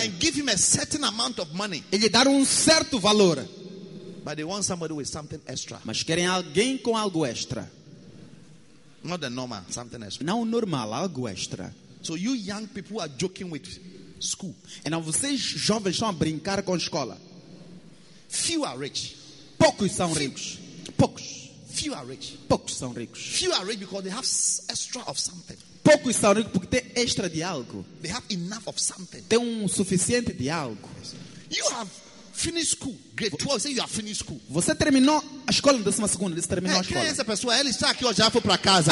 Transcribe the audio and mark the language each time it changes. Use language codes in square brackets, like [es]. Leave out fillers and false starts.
[en] and give him a certain amount of money, [pt] e lhe dar certo valor, [en] but they want somebody with something extra. [pt] Mas querem alguém com algo extra. [en] Not the normal, something extra. [pt] Não normal, algo extra. [en] So you young people are joking with school. [pt] E não, vocês jovens estão a brincar com a escola. [en] Few are rich. [pt] Poucos são ricos. Poucos. [en] Few are rich. [pt] Poucos são ricos. [en] Few are rich because they have extra of something. [pt] Poucos são ricos porque têm extra de algo. [en] They have enough of something. [pt] Têm suficiente de algo. [en] You have finished school. Grade 12, say you have finished school. [pt] Você terminou a escola na décima segunda. Você terminou a escola. Quem é essa pessoa? Ele está aqui hoje, já foi para casa.